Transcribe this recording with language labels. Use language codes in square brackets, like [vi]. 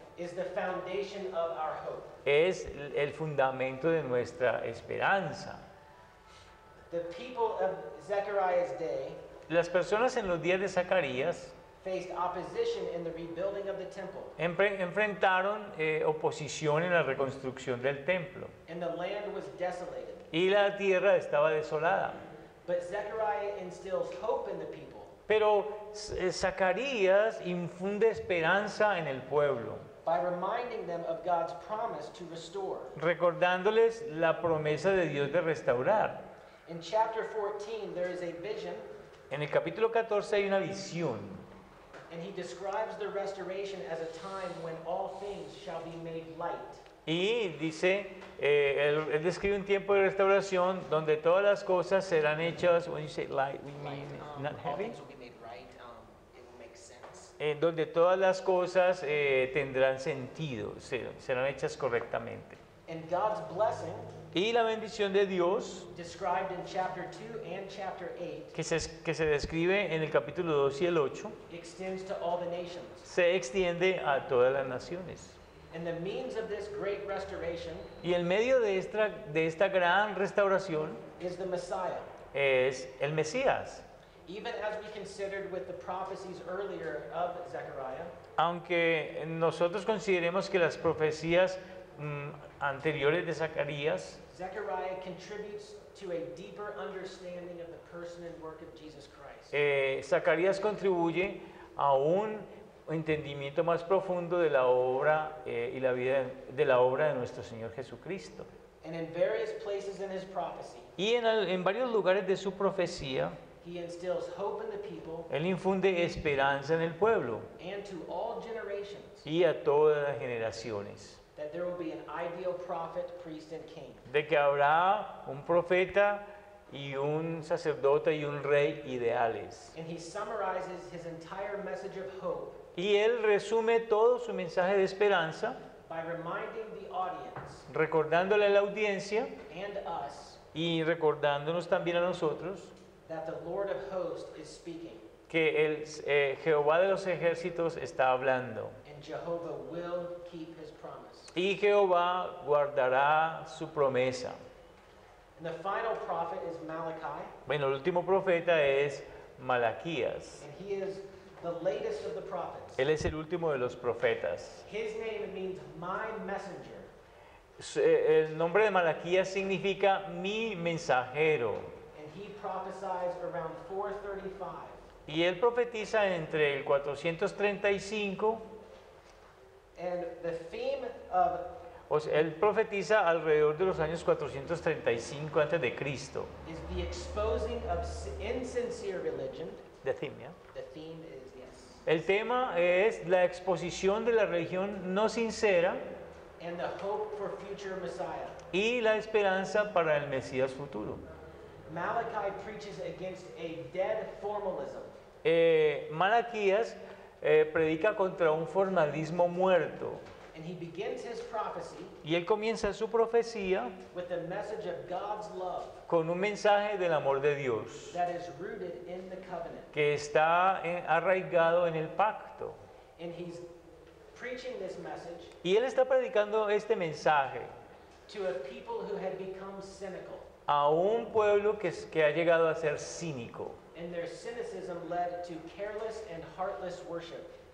[en] Is the foundation of our hope. [es] Es el fundamento de nuestra esperanza. [en] The people of Zechariah's day, [es] las personas en los días de Zacarías, [en] faced opposition in the rebuilding of the temple. [es] Enfrentaron oposición en la reconstrucción del templo. [en] And the land was desolated. [es] Y la tierra estaba desolada. [en] But Zechariah instills hope in the people. [es] Pero Zacarías infunde esperanza en el pueblo. [en] By reminding them of God's promise to restore. [es] Recordándoles la promesa de Dios de restaurar. [en] In chapter 14, there is a vision. [es] En el capítulo 14 hay una visión. [en] And he describes the restoration as a time when all things shall be made light. [es] Y dice, él describe un tiempo de restauración donde todas las cosas serán hechas. [en] When you say light, we mean light, not heavy. All things will be made right. It will make sense. [es] En donde todas las cosas tendrán sentido, serán hechas correctamente. [en] And God's blessing, [es] y la bendición de Dios, [en] described in chapter 2 and chapter 8, [es] que se describe en el capítulo 2 y el 8, [en] extends to all the nations. [es] Se extiende a todas las naciones. [en] And the means of this great restoration, [es] y el medio de esta gran restauración, [en] is the Messiah. [es] Es el Mesías. [en] Even as we considered with the prophecies earlier of Zechariah, [es] aunque nosotros consideremos que las profecías anteriores de Zacarías, [en] Zechariah contributes to a deeper understanding of the person and work of Jesus Christ. [es] Zacarías contribuye a un entendimiento más profundo de la obra y la vida de la obra de nuestro Señor Jesucristo. [en] And in various places in his prophecy, [es] y en varios lugares de su profecía, [en] he instills hope in the people, [es] él infunde esperanza en el pueblo [en] and to all generations, [es] y a todas las generaciones. [en] That there will be an ideal prophet, priest, and king. [es] De que habrá un profeta y un sacerdote y un rey ideales. [en] And he summarizes his entire message of hope. [es] Y él resume todo su mensaje de esperanza. [en] By reminding the audience. [es] Recordándole a la audiencia. [en] And us. [es] Y recordándonos también a nosotros. [en] That the Lord of hosts is speaking. [es] Que el Jehová de los ejércitos está hablando. [en] And Jehovah will keep his promise. [es] Y Jehová guardará su promesa. [en] And the final prophet is Malachi. [es] Bueno, el último profeta es Malaquías. [en] And he is the latest of the prophets. [es] Él es el último de los profetas. [en] His name means my messenger. [es] El nombre de Malaquías significa mi mensajero. [en] And he prophesies around 435. [es] Y él profetiza entre el 435. [en] And the theme of, [es] o sea, él profetiza alrededor de los años 435 antes de Cristo. [en] Is the exposing of insincere religion. The theme, yeah. The theme is, yes. [es] El tema es la exposición de la religión no sincera. [en] And the hope for future Messiah. [es] Y la esperanza para el Mesías futuro. [en] Malachi preaches against a dead formalism. [es] Malaquías predica contra un formalismo muerto. [en] And he begins his prophecy, [es] y él comienza su profecía [en] with the message of God's love, [es] con un mensaje del amor de Dios [en] that is rooted in the covenant, [es] que está arraigado en el pacto. [en] And he's preaching this message, [es] y él está predicando este mensaje [en] to a people who had become cynical, [es] a un pueblo que ha llegado a ser cínico. [en] And their cynicism led to careless and heartless worship.